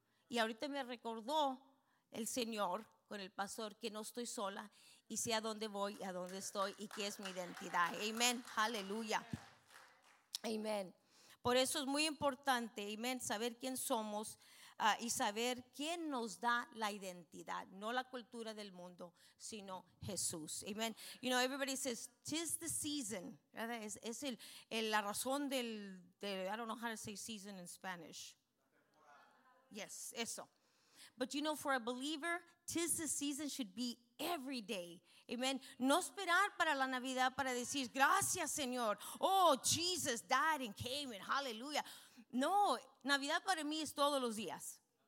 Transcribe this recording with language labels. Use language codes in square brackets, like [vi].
[es] Y ahorita me recordó el Señor con el pastor que no estoy sola y sé a dónde voy, a dónde estoy y qué es mi identidad, amen, hallelujah. Amén. Por eso es muy importante, amén, saber quién somos y saber quién nos da la identidad, no la cultura del mundo, sino Jesús. [en] Amén. You know, everybody says, 'tis the season. [es] Es la razón del, [en] I don't know how to say season in Spanish. Yes, [es] eso. [en] But you know, for a believer, 'tis the season should be every day. Amen. [es] No esperar para la Navidad para decir gracias, Señor. [en] Oh, Jesus died and came and hallelujah. [es] No, Navidad para mí es todos los días.